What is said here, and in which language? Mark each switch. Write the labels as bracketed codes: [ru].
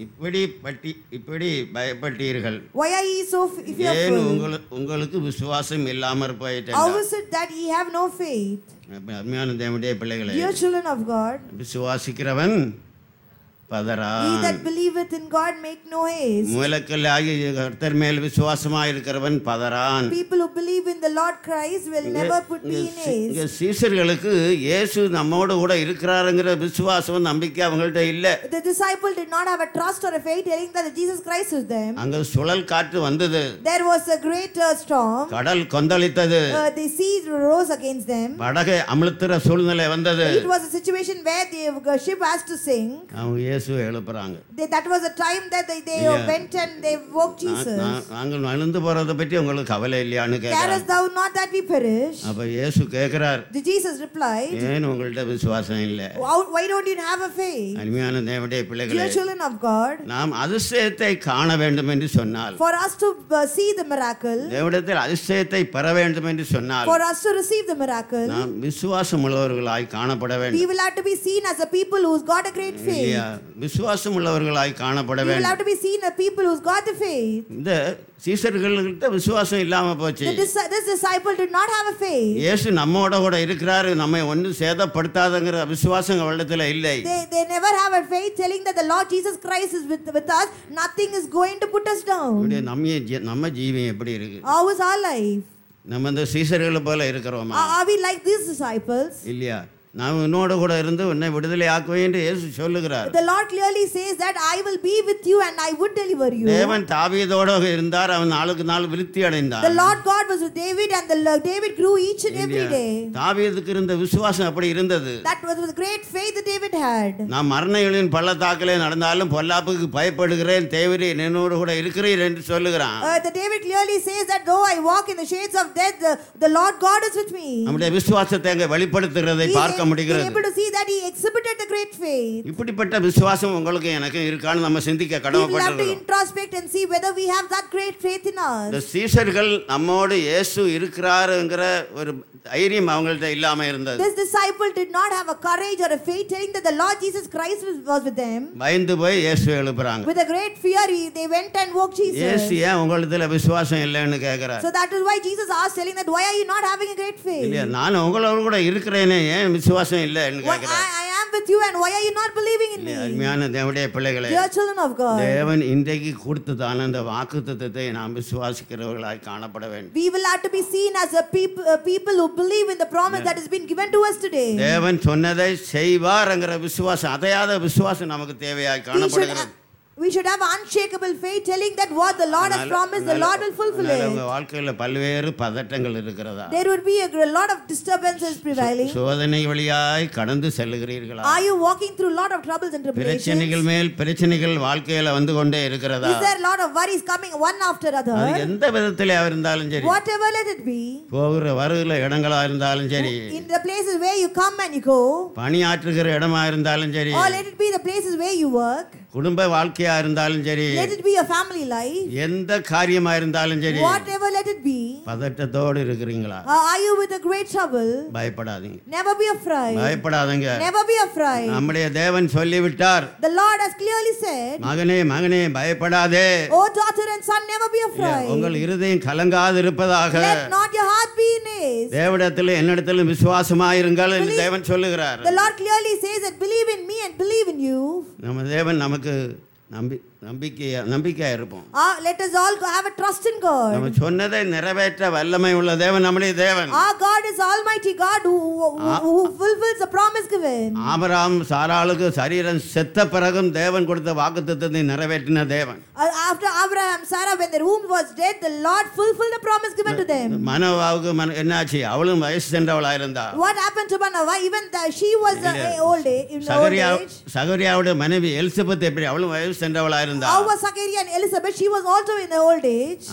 [ta] ippadi patti ippadi bayapattirgal. [en] Why are you so fearful? [ta] Yenu ungalku viswasam illamar poyittenga. [en] How is it that he have no faith? [ta] அருமையான தேவனுடைய பிள்ளைகளே, [en] Dear children of God, [ta] விசுவாசிக்கிறவன் பதறான். [en] He that believeth in God make no haste. [ta] மூலக்கல்லாகிய கர்த்தர் மேல் விசுவாசமாயிருக்கிறவன் பதறான். [en] People who believe in the Lord Christ will never put me in haste. [ta] சீஷர்களுக்கு இயேசு நம்மோடு கூட இருக்கிறாருங்கிற விசுவாசம் நம்பிக்கை அவங்கள்ட்ட இல்ல. [en] The disciple did not have a trust or a faith telling that Jesus Christ is them. [ta] அங்க சுழல் காற்று வந்தது. [en] There was a great storm. [ta] கடல் கொந்தளித்தது. [en] The sea rose against them. [ta] படகை அமிழ்த்துற சூழ்நிலை வந்தது. [en] It was a situation where the ship has to sink. [ta] இயேசு எழுப்புறாங்க. [en] That was a time that they went and they woke Jesus. [ta] நாங்கள் நடந்து போறத பத்தி உங்களுக்கு கவலை இல்லையான்னு கேக்குறாங்க. [en] There is thou not that we perish. [ta] அப்ப இயேசு கேக்குறார். [en] The Jesus replied. [ta] ஏன் உங்களுக்கு விசுவாசம் இல்ல? [en] Why don't you have a faith? [ta] அருமையான தேவனுடைய பிள்ளைகளே, [en] Dear children of God, [ta] நாம் அதிசயத்தை காண வேண்டும் என்று சொன்னால், [en] For us to see the miracle, [ta] தேவனுடைய அதிசயத்தை பெற வேண்டும் என்று சொன்னால், [en] For us to receive the miracle, [ta] நாம் விசுவாசம் உள்ளவர்களாய் காணப்பட வேண்டும். [en] We will have to be seen as a people who's got a great faith. [ta] விசுவாசம் உள்ளவர்களாய் காணப்பட வேண்டும். இந்த சீஷர்களுக்கு விசுவாசம் இல்லாம போச்சு. [en] This disciple did not have a faith. [ta] இயேசு நம்மோட கூட இருக்கிறாரு, நம்மை ஒன்னு சேதப்படுத்தாதங்கற விசுவாசம் அவளுதுல இல்லை. [en] They never have a faith telling that the Lord Jesus Christ is with us, nothing is going to put us down. [ta] இப்படி நம்ம ஜீவன் எப்படி இருக்கு? [en] How is our life? [ta] நம்ம இந்த சீஷர்களை போல இருக்கிறோமா? [en] Are we like these disciples? [ta] இல்லையா? நான் உன்னோட கூட இருந்து உன்னை விடுதலை ஆக்குவேன் என்று இயேசு சொல்லுகிறார். [en] The Lord clearly says that I will be with you and I would deliver you. [ta] தேவன் தாவீதோட இருந்தார், அவன் நாளுக்கு நாள் விருத்தி அடைந்தார். [en] The Lord God was with David and David grew each and every day. [ta] தாவீதுக்கு இருந்த விசுவாசம் அப்படி இருந்தது. [en] That was the great faith that David had. [ta] நான் மரணையின் பள்ளத்தாக்கிலே நடந்தாலும் பொல்லாப்புக்கு பயப்படுகிறேன், தேவரே என்னோடு கூட இருக்கிறீர் என்று சொல்லுகிறான். [en] The David clearly says that though I walk in the shades of death the Lord God is with me. [ta] நம்முடைய விசுவாசத்தை அங்கே வெளிப்படுத்துகிறதை பார்க்க முடிகிறது. [en] Able to see that he exhibited the great faith. [ta] இப்படிப்பட்ட விசுவாசம் உங்களுக்கு எனக்கு இருக்கானு நம்ம சிந்திக்க கடமைப்பட்டிருக்கிறோம். [en] We have to introspect and see whether we have that great faith in us. [ta] The சீஷர்கள் நம்மோடு இயேசு இருக்கிறாருங்கிற ஒரு தைரியம் அவங்கள்ட்ட இல்லாம இருந்தது. [en] This disciple did not have a courage or a faith telling that the Lord Jesus Christ was with them. [ta] பயந்து போய் இயேசுவை எழுப்புறாங்க. [en] With a great fear they went and woke Jesus. [ta] இயேசு ஏன் உங்களுதுல விசுவாசம் இல்லைன்னு கேக்குறார். [en] So that is why Jesus asked telling that why are you not having a great faith? [ta] இல்ல, நான் உங்களோடு கூட இருக்கிறேனே, ஏன் விசுவாசம் இல்லைன்னு கேக்குறார். [en] I am with you and why are you not believing in me? [ta] அருமையான தேவனுடைய பிள்ளைகளே, [en] Dear children of God, [ta] தேவன் இன்றைக்கு கொடுத்த அந்த வாக்குத்தத்தத்தை நாம் விசுவாசிக்கிறவர்களாய் காணப்பட வேண்டும். [en] We will have to be seen as a people who believe in the promise that has been given to us today. [ta] தேவன் சொன்னதை செய்வார்ங்கற விசுவாசம், அதையாத விசுவாசம் நமக்கு தேவையாய் காணப்படுகிறது. [en] We should have unshakable faith telling that what the Lord has promised, the Lord will fulfill it. [ta] உங்க வாழ்க்கையில பல்வேறு பதட்டங்கள் இருக்கிறதா? [en] There would be a lot of disturbances prevailing. [ta] சோதனை வழியாய் கடந்து செல்கிறீர்களா? [en] Are you walking through a lot of troubles and tribulations? [ta] பிரச்சனைகள் மேல் பிரச்சனைகள் வாழ்க்கையில வந்து கொண்டே இருக்கிறதா? [en] Is there a lot of worries coming one after other? [ta] அது எந்த விதத்திலே இருந்தாலும் சரி, [en] whatever let it be, [ta] போகிற வருகிற இடங்களா இருந்தாலும் சரி, [en] in the places where you come and you go, [ta] பணியாற்றுகிற இடமா இருந்தாலும் சரி, [en] or let it be the places where you work, [ta] குடும்ப வாழ்க்கை குட்டியா இருந்தாலும் சரி, [en] let it be a family life, [ta] எந்த காரியமா இருந்தாலும் சரி, [en] whatever let it be, [ta] பதட்டத்தோடு இருக்கீங்களா? [en] Are you with a great trouble? [ta] பயப்படாதீங்க, [en] never be afraid, [ta] பயப்படாதீங்க, [en] never be afraid. [ta] நம்முடைய தேவன் சொல்லி விட்டார், [en] the Lord has clearly said, [ta] மகனே மகனே பயப்படாதே, [en] oh daughter and son never be afraid, [ta] உங்கள் இருதயம் கலங்காது இருப்பதாக, [en] let not your heart be in haste, [ta] தேவனிடத்தில் என்னிடத்திலும் விசுவாசமா இருங்கள் என்று தேவன் சொல்லுகிறார். [en] The Lord clearly says that believe in me and believe in you. [ta] நம்ம தேவன் நமக்கு நம்பிக்கையா இருப்போம். [en] Let us all have a trust in God. [ta] நம்ம சொன்னதை நிறைவேற்ற வல்லமை உள்ள தேவன் நம்முடைய தேவன். [en] Our God is Almighty God who fulfills the promise given. [ta] Abraham சாராளுக்கு சரீரம் செத்த பிறகும் தேவன் கொடுத்த வாக்குத்தத்தத்தை நிறைவேற்றின தேவன். [en] After Abraham Sarah when their womb was dead the Lord fulfilled the promise given to them. [ta] மனவாவுக்கு என்னாச்சு? அவளும் வயசு சென்றவளாய் இருந்தா. [en] What happened to Manava even that she was old in old age. [ta] சகரியாவுடைய மனைவி எலிசபெத் எப்படி? அவளும் வயசு சென்றவளாய் இருந்தா. [en] How was Zachary and Elizabeth? She was also in the old age.